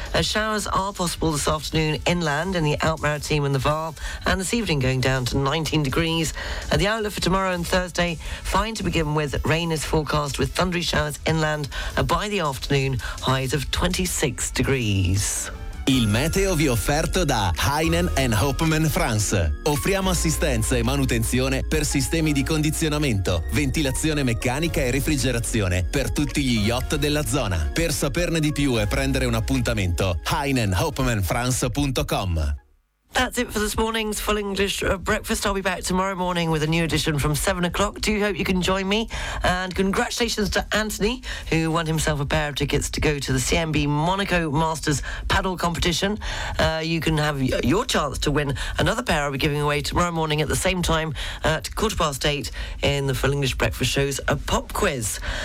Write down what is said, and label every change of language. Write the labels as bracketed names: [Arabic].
[English] Showers are possible this afternoon inland in the Alpes-Maritimes and the Var, and this evening going down to 19 degrees. The outlook for tomorrow and Thursday, fine to begin with. Rain is forecast with thundery showers inland by the afternoon, highs of 26 degrees. [Italian] Il meteo vi offerto da Heinen and Hopman France. Offriamo assistenza e manutenzione per sistemi di condizionamento, ventilazione meccanica e refrigerazione per tutti gli yacht della zona. Per saperne di più e prendere un appuntamento, heinenhopmanfrance.com. [English] That's it for this morning's Full English Breakfast. I'll be back tomorrow morning with a new edition from 7 o'clock. Do hope you can join me. And congratulations to Anthony, who won himself a pair of tickets to go to the CMB Monaco Masters paddle competition. You can have your chance to win another pair I'll be giving away tomorrow morning at the same time at 8:15 in the Full English Breakfast Show's pop quiz.